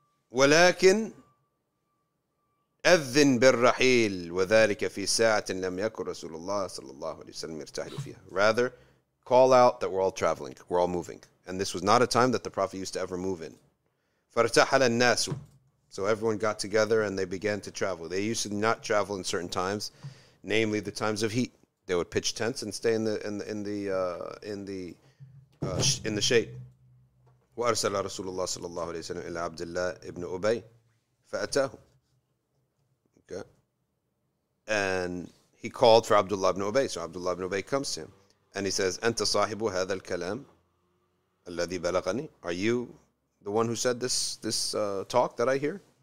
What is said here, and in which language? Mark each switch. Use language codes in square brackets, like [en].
[ar] ولكن أذن بالرحيل وذلك في ساعة لم يكن رسول الله صلى الله عليه وسلم يرتحل فيها. [en] Rather, call out that we're all traveling, we're all moving, and this was not a time that the Prophet used to ever move in. [ar] فارتحل الناس. [en] So everyone got together and they began to travel. They used to not travel in certain times, namely the times of heat. They would pitch tents and stay in the shade. [ar] وأرسل رسول الله صلى الله عليه وسلم إلى عبد الله ابن أبي فأتاه. [en] Okay. And he called for Abdullah ibn Ubay. So Abdullah ibn Ubay comes to him. And he says, [ar] أنت صاحب هذا الكلام الذي بلغني. [en] Are you the one who said this talk that I hear?